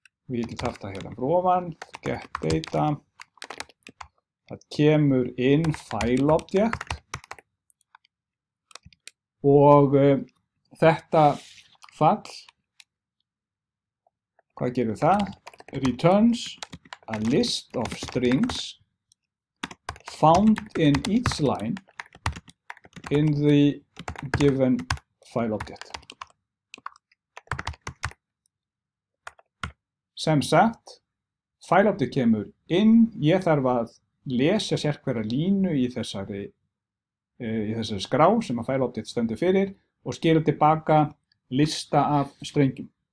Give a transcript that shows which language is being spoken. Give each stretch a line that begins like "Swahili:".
Icelandic: Við getum þarf það hérna ofan, getData, það kemur inn file object. Og þetta fall, hvað gerir það?
English: Returns a list of strings found in each line in the given file object.
Icelandic: Sem sagt, file object kemur inn, ég þarf að lesa sérhverja línu í þessari skrá sem að file object stendur fyrir og skilur tilbaka lista af strengjum.